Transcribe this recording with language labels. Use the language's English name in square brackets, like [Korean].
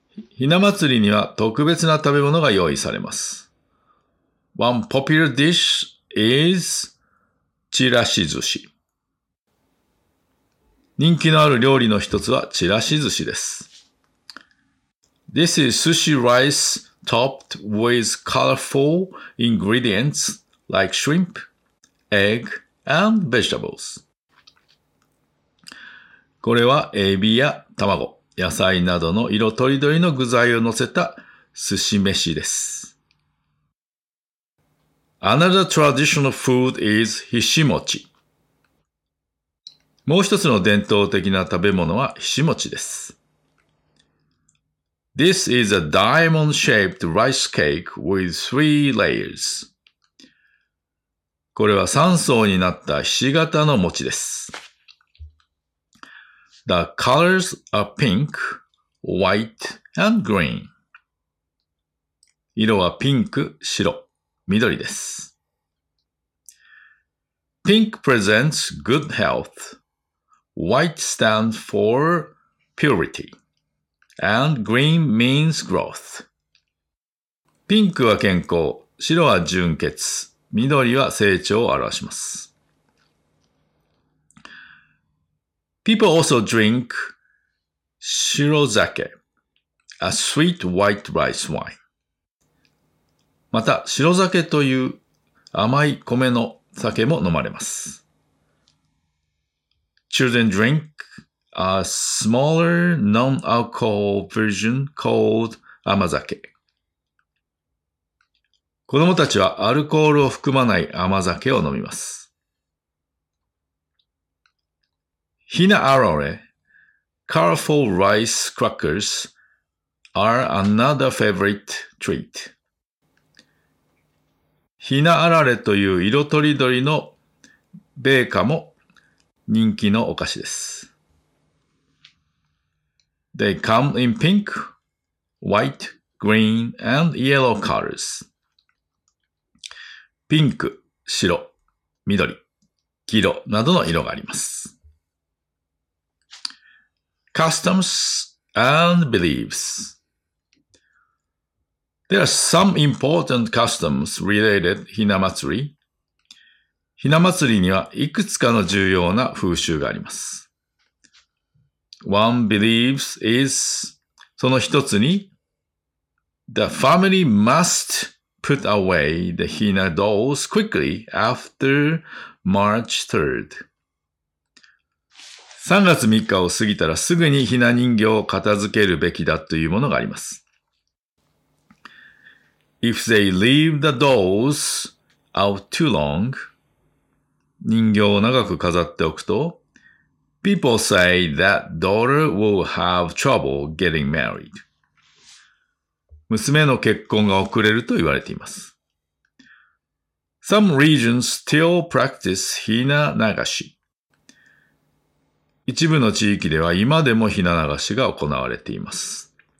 [Japanese] ひな祭りには特別な食べ物が用意されます。 [English] One popular dish is ちらし寿司。 [Japanese] 人気のある料理の一つはちらし寿司です。 [English] This is sushi rice topped with colorful ingredients like shrimp, egg, and vegetables. [Japanese] これはエビや卵、野菜などの色とりどりの具材を乗せた寿司飯です。 [English] Another traditional food is ひしもち。 [Japanese] もう一つの伝統的な食べ物はひしもちです。 [English] This is a diamond-shaped rice cake with three layers. [Japanese] これは三層になったひし形の餅です。 [English] The colors are pink, white, and green. [Japanese] 色はピンク、白、緑です。 [English] Pink presents good health. White stands for purity, and green means growth. [Japanese] ピンクは健康、白は純潔、緑は成長を表します。 [English] People also drink 白酒, a sweet white rice wine. [Japanese] また、白酒という甘い米の酒も飲まれます。 [English] children drink a smaller non-alcohol version called 甘酒。 [Japanese] 子供たちはアルコールを含まない甘酒を飲みます。 [English] ひなあられ、colorful rice crackers are another favorite treat。 [Japanese] ひなあられという色とりどりの米菓も人気のお菓子です。 [English] They come in pink, white, green, and yellow colors. [Japanese] ピンク、白、緑、黄色などの色があります。 [English] Customs and beliefs. There are some important customs related ひな祭り。 [Japanese] ひな祭りにはいくつかの重要な風習があります。 [English] One believes is, [Japanese] その一つに、 [English] The family must put away the Hina dolls quickly after March 3rd. [Japanese] 3月3日を過ぎたらすぐにひな人形を片付けるべきだというものがあります。 [English] If they leave the dolls out too long, [Japanese] 人形を長く飾っておくと、 [English] People say that daughter will have trouble getting married. [Japanese] 娘の結婚が遅れると言われています。 [English] Some regions still practice ひな流し。 [Japanese] 一部の地域では今でもひな流しが行われています。